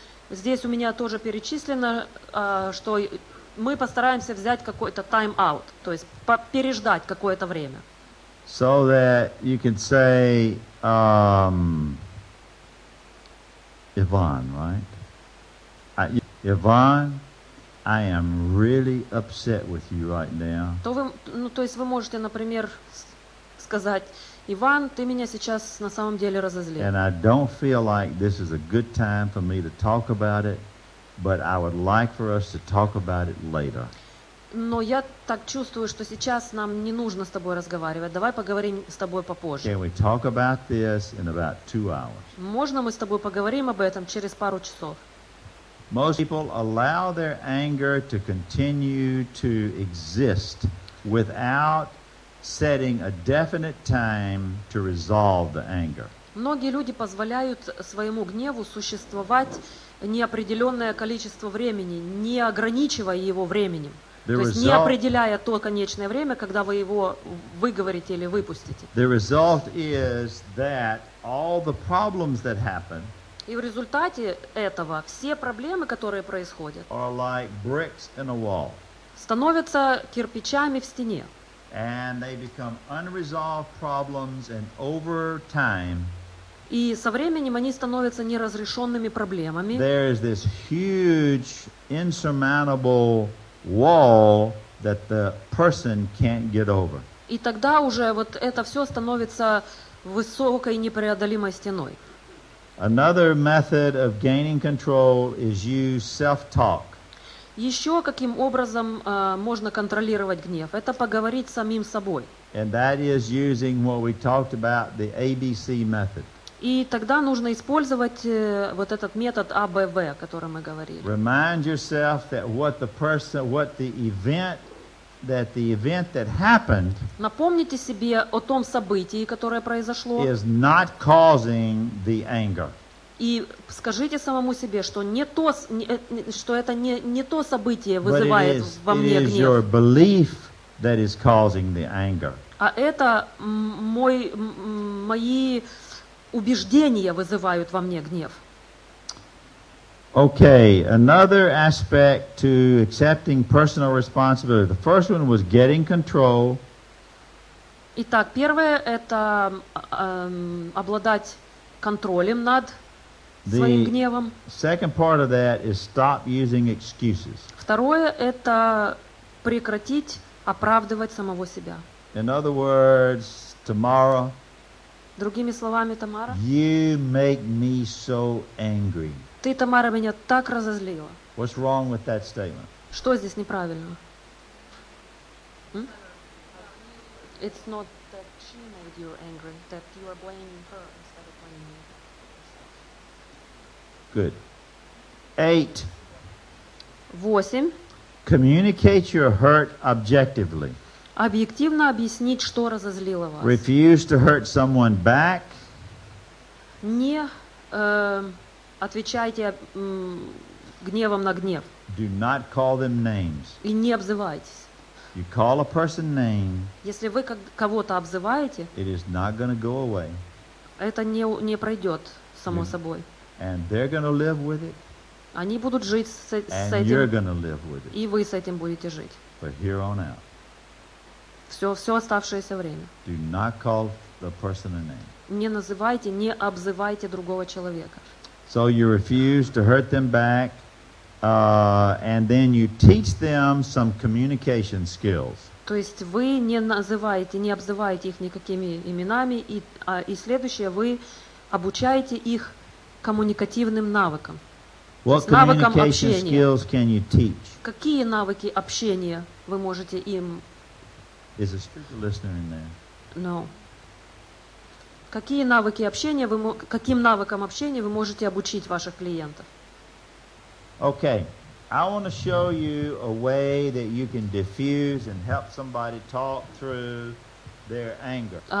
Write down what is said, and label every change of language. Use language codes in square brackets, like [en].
[ru] Здесь у меня тоже перечислено, что мы постараемся взять какой-то тайм-аут, то есть переждать какое-то время. [en] So that you can say, Yvonne, right? Yvonne, I am really upset with you right now. [ru] То есть вы можете, например, сказать, Иван, ты меня сейчас на самом деле разозлил. [en] And I don't feel like this is a good time for me to talk about it, but I would like for us to talk about it later. [ru] Но я так чувствую, что сейчас нам не нужно с тобой разговаривать. Давай поговорим с тобой попозже. [en] Can we talk about this in about 2 hours? [ru] Можно мы с тобой поговорим об этом через пару часов? [en] Most people allow their anger to continue to exist without setting a definite time to resolve the anger. [ru] Многие люди позволяют своему гневу существовать неопределенное количество времени, не ограничивая его временем. То есть не определяя то конечное время, когда вы его выговорите или выпустите. [en] The result is that all the problems that happen. [ru] И в результате этого все проблемы, которые происходят, [en] are like bricks in a wall. [ru] Становятся кирпичами в стене. [en] And they become unresolved problems, and over time, [ru] и со временем они становятся неразрешенными проблемами. [en] There is this huge, insurmountable wall that the person can't get over. [ru] И тогда уже вот это все становится высокой непреодолимой стеной. [en] Another method of gaining control is use self-talk. [ru] Еще каким образом можно контролировать гнев? Это поговорить с самим собой. [en] And that is using what we talked about, the ABC method. [ru] И тогда нужно использовать вот этот метод АБВ, о котором мы говорили. [en] Remind yourself that what the person, what the event, that the event that happened. [ru] Напомните себе о том событии, которое произошло. [en] Is not causing the anger. [ru] И скажите самому себе, что не то, что это не то событие вызывает во мне гнев. [en] But it is your belief that is causing the anger. [ru] А это мой мои убеждения вызывают во мне гнев. [en] Okay, another aspect to accepting personal responsibility. The first one was getting control. [ru] Итак, первое это обладать контролем над своим гневом. [en] The second part of that is stop using excuses. [ru] Второе это прекратить оправдывать самого себя. [en] In other words, tomorrow. [ru] Другими словами, Тамара. [en] You make me so angry. [ru] Ты, Тамара, меня так разозлила. [en] What's wrong with that statement? [ru] Что здесь неправильно? [en] It's not that she made you angry, that you are blaming her instead of blaming me. Good. Eight. [ru] Восемь. [en] Communicate your hurt objectively. [ru] Объективно объяснить, что разозлило вас. [en] Refuse to hurt someone back. [ru] Не отвечайте гневом на гнев. [en] Do not call them names. [ru] И не обзывайтесь. [en] You call a person name. [ru] Если вы кого-то обзываете, [en] it is not gonna go away. [ru] Это не пройдет само собой. [en] And they're gonna live with it. [ru] Они будут жить с [en] and [ru] этим. [en] You're gonna live with it. [ru] И вы с этим будете жить. [en] But here on out. [ru] Все оставшееся время. [en] Do not call the person a name. [ru] Не называйте, не обзывайте другого человека. [en] So you refuse to hurt them back, and then you teach them some communication skills. [ru] То есть вы не называете, не обзываете их никакими именами, и следующее, вы обучаете их коммуникативным навыкам. [en] What communication skills can you teach? [ru] Какие навыки общения вы можете им? [en] Is a speaker listener in there? No. [ru] Какие навыки общения вы, каким навыкам общения вы можете обучить ваших клиентов? [en] Okay. I want to show you a way that you can diffuse and help somebody talk through their anger.